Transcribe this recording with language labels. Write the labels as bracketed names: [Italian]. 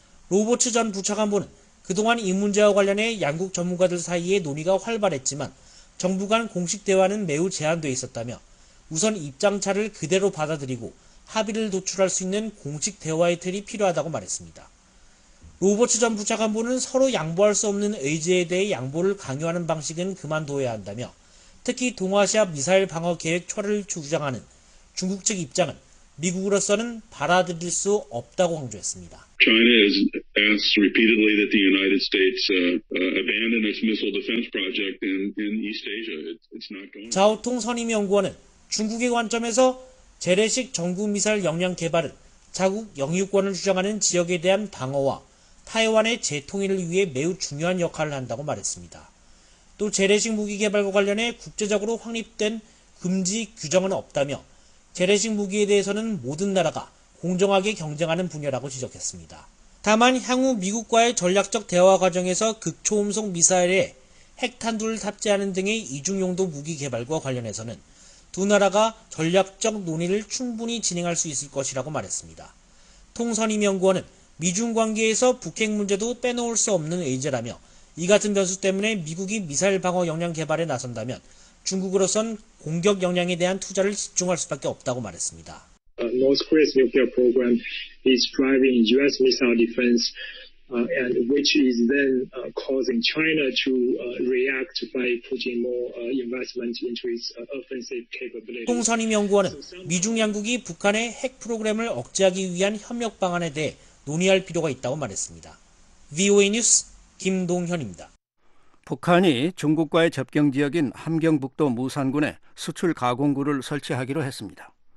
[Korean] 로버츠 전 부차관보는 그동안 이 문제와 관련해 양국 전문가들 사이의 논의가 활발했지만 정부 간 공식 대화는 매우 제한되어 있었다며 우선 입장차를 그대로 받아들이고 합의를 도출할 수 있는 공식 대화의 틀이 필요하다고 말했습니다. 로버츠 전 부차관보는 서로 양보할 수 없는 의지에 대해 양보를 강요하는 방식은 그만둬야 한다며 특히 동아시아 미사일 방어 계획 철회를 주장하는 중국 측 입장은 미국으로서는 받아들일 수 없다고 강조했습니다. [English] China has asked repeatedly that the United States abandon its missile defense project in East Asia. It's not going. [Korean] 자오통 선임연구원은 중국의 관점에서 재래식 전구 미사일 역량 개발은 자국 영유권을 주장하는 지역에 대한 방어와 타이완의 재통일을 위해 매우 중요한 역할을 한다고 말했습니다. 또 재래식 무기 개발과 관련해 국제적으로 확립된 금지 규정은 없다며 재래식 무기에 대해서는 모든 나라가 공정하게 경쟁하는 분야라고 지적했습니다. 다만 향후 미국과의 전략적 대화 과정에서 극초음속 미사일에 핵탄두를 탑재하는 등의 이중용도 무기 개발과 관련해서는 두 나라가 전략적 논의를 충분히 진행할 수 있을 것이라고 말했습니다. 통선임연구원은 미중 관계에서 북핵 문제도 빼놓을 수 없는 의제라며 이 같은 변수 때문에 미국이 미사일 방어 역량 개발에 나선다면 중국으로선 공격 역량에 대한 투자를 집중할 수밖에 없다고 말했습니다. [English] North Korea's nuclear program is driving U.S. missile defense, and which is then causing China to react by putting more investment into its offensive capability. [Korean] 통선임연구원은 미중 양국이 북한의 핵 프로그램을 억제하기 위한 협력 방안에 대해 논의할 필요가 있다고 말했습니다. VOA 뉴스 김동현입니다. 북한이 중국과의 접경 지역인 함경북도 무산군에 수출 가공구를 설치하기로 했습니다.